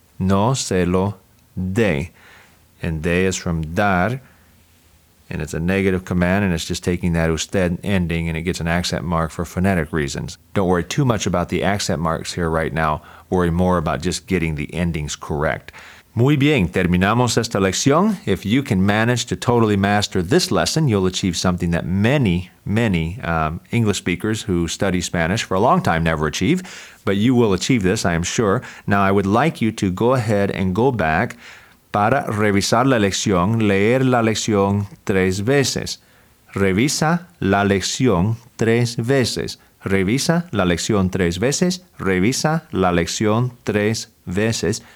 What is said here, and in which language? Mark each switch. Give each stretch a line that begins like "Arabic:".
Spanish: No se lo de.
English: And de is from dar. And it's a negative command, and it's just taking that usted ending, and it gets an accent mark for phonetic reasons. Don't worry too much about the accent marks here right now. Worry more about just getting the endings correct.
Spanish: Muy bien, terminamos esta lección.
English: If you can manage to totally master this lesson, you'll achieve something that many, many English speakers who study Spanish for a long time never achieve. But you will achieve this, I am sure. Now, I would like you to go ahead and go back
Spanish: para revisar la lección, leer la lección tres veces. Revisa la lección tres veces. Revisa la lección tres veces. Revisa la lección tres veces.